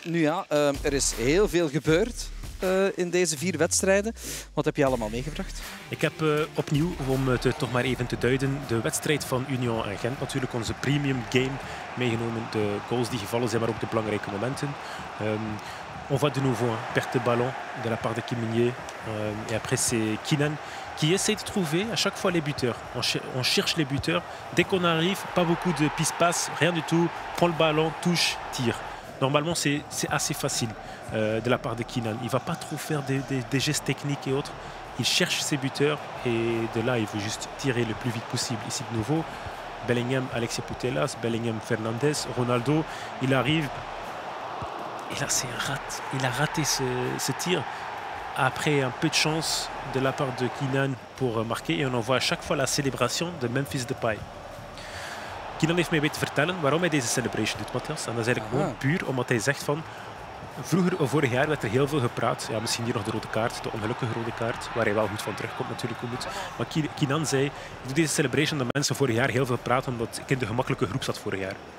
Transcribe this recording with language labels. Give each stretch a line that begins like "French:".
Dutch: Nu ja, er is heel veel gebeurd in deze 4 wedstrijden. Wat heb je allemaal meegebracht? Ik heb opnieuw, om het toch maar even te duiden, de wedstrijd van Union en Gent, natuurlijk onze premium game, meegenomen. De goals die gevallen zijn, maar ook de belangrijke momenten.
French: On voit de nouveau, perte de ballon de la part de Kim Meunier. Et après, c'est Kinan qui essaie de trouver à chaque fois les buteurs. On cherche les buteurs. Dès qu'on arrive, pas beaucoup de pistes passes, rien du tout. Prend le ballon, touche, tire. Normalement, c'est assez facile de la part de Kinan. Il ne va pas trop faire des gestes techniques et autres. Il cherche ses buteurs et de là, il veut juste tirer le plus vite possible. Ici, de nouveau, Bellingham, Alexis Putellas, Bellingham, Fernandez, Ronaldo. Il arrive et là, c'est un rat. Il a raté ce tir après un peu de chance de la part de Kinan pour marquer. Et on en voit à chaque fois la célébration de Memphis Depay.
Dutch: Kylian heeft mij weten vertellen waarom hij deze celebration doet, Matthias. En dat is eigenlijk gewoon puur omdat hij zegt van... Vroeger, vorig jaar, werd er heel veel gepraat. Ja, misschien hier nog de rode kaart, de ongelukkige rode kaart, waar hij wel goed van terugkomt natuurlijk. Maar Kylian zei, ik doe deze celebration omdat mensen vorig jaar heel veel praten omdat ik in de gemakkelijke groep zat vorig jaar.